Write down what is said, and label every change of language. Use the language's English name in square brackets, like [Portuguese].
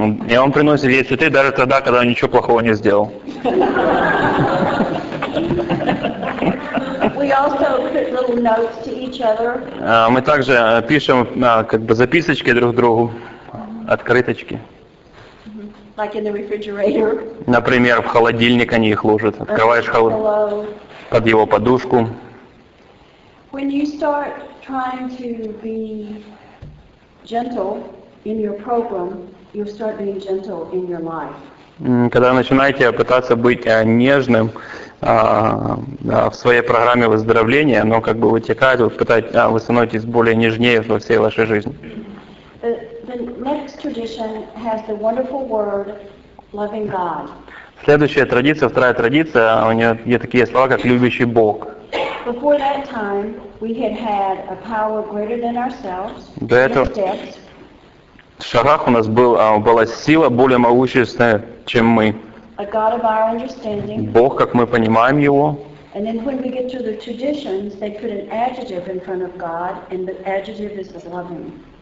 [Russian] И он приносит ей цветы даже тогда, когда он ничего плохого не сделал. [English] We also put little notes to each other. [Russian] Мы также пишем как бы записочки друг другу, открыточки. [English] Like in the refrigerator. [Russian] Например, в холодильник они их ложат. Открываешь под его подушку. [English] When you start trying to be gentle in your program, you'll start being gentle in your life. [Russian] Когда начинаете пытаться быть нежным в своей программе выздоровления, оно как бы вытекает, вы становитесь более нежнее во всей вашей жизни. [English] The next tradition has the wonderful word loving God. [Russian] Следующая традиция, вторая традиция, у нее есть такие слова, как любящий Бог. [English] Before that time, we had a power greater than ourselves. [Russian] До этого в шагах у нас была сила более могущественная, чем мы. [English] A God of our understanding. [Russian] Бог, как мы понимаем его. [English] And then when we get to the traditions, they put an adjective in front of God, and the adjective is loving.